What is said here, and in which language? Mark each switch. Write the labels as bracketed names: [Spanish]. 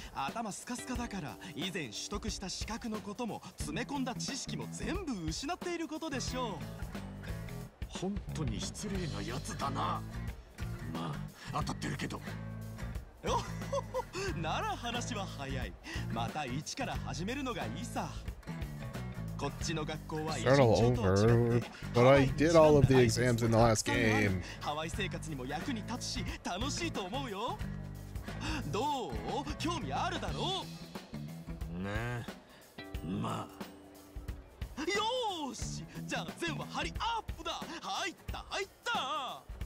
[Japanese] 頭スカスカだから以前取得した資格のことも詰め込んだ知識も全部失っていることでしょう。本当に失礼なやつだな。まあ当たってるけど。おっほっほ、なら話は早い。また一から始めるのがいいさ。こっちの学校は一応と違って、 [English] But I did all of the exams in the last game. [Japanese] ハワイ生活にも役に立つし楽しいと思うよ。どう？興味あるだろう？ねえ、まあ。よーし、じゃあ全部ハリアップだ。入った入った。